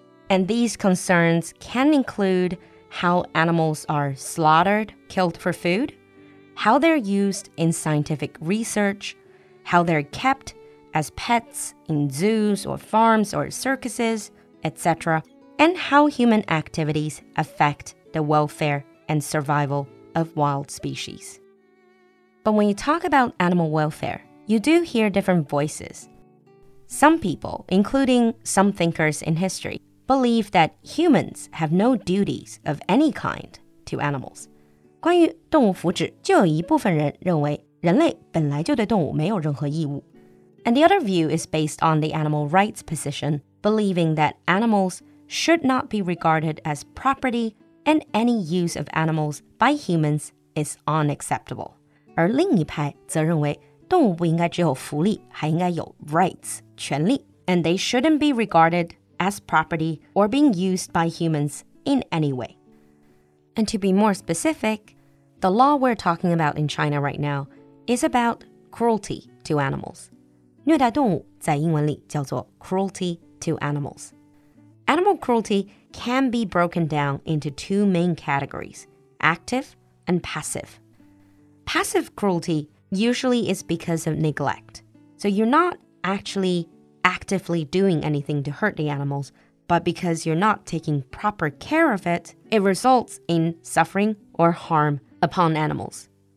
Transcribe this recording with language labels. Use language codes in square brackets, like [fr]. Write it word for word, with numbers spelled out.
[en] And these concerns can include how animals are slaughtered, killed for food,how they're used in scientific research, how they're kept as pets in zoos or farms or circuses, et cetera, and how human activities affect the welfare and survival of wild species. But when you talk about animal welfare, you do hear different voices. Some people, including some thinkers in history, believe that humans have no duties of any kind to animals. [zh] 关于动物福祉，就有一部分人认为人类本来就对动物没有任何义务。 [en] And the other view is based on the animal rights position, believing that animals should not be regarded as property and any use of animals by humans is unacceptable. [zh] 而另一派则认为动物不应该只有福利，还应该有 rights, 权利。 [en] And they shouldn't be regarded as property or being used by humans in any way. And to be more specific, the law we're talking about in China right now is about cruelty to animals. [zh] 虐待动物在英文里叫做 [en] cruelty to animals. Animal cruelty can be broken down into two main categories, active and passive. Passive cruelty usually is because of neglect. So you're not actually actively doing anything to hurt the animals,But because you're not taking proper care of it, it results in suffering or harm upon animals.